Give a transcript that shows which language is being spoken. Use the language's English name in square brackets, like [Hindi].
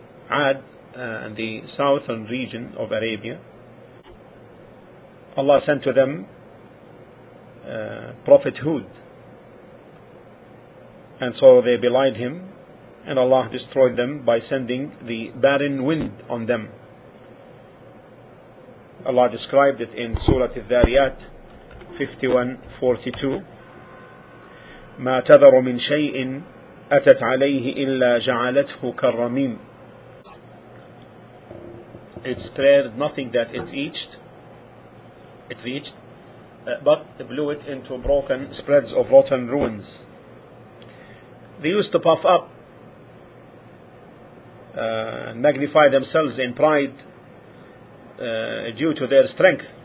[English] Ad, in the southern region of Arabia, Allah sent to them Prophet Hud, and so they belied him, and Allah destroyed them by sending the barren wind on them. Allah described it in Surah Al-Dhariyat 51:42, [Arabic] مَا تَذَرُ مِن شَيْءٍ أَتَتْ عَلَيْهِ إِلَّا جَعَلَتْهُ كَالرَّمِيمِ. [English] It spared nothing that it reached, but blew it into broken spreads of rotten ruins. They used to puff up and magnify themselves in pride due to their strength.